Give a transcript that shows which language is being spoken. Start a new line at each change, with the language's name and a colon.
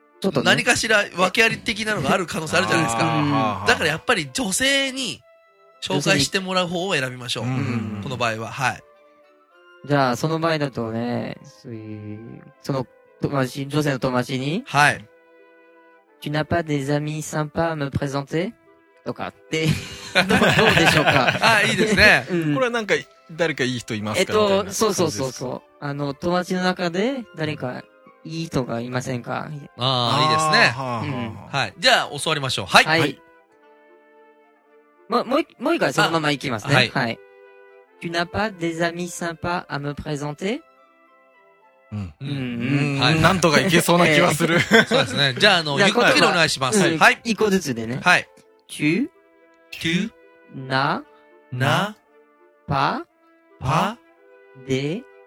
Japanese: ちょっとね、何かしら訳あり的なのがある可能性あるじゃないですか。だからやっぱり女性に紹介してもらう方を選びましょう。この場合は。はい。じゃあ、その場合だとね、その友達、女性の友達に。はい。
French: Tu n'as pas des amis sympas à me présenter？
Japanese: とかって、どうでしょうか。あ、いいですね。うん、これはなんか、誰かいい人いますか？そうそうそうそう。友達の中で誰か、いい人がいませんか？ああ、いいですね。はい。じゃあ、教わりましょう。はい。はい。もう一回そのまま行きますね。はい。はい。
French: Tu n'as pas des amis sympas à me présenter？
Japanese: はい。なんとかいけそうな気はする。そうですね。じゃあ、ゆっくりお願いします。はい。一個ずつでね。はい。
French: Tu n'as pas des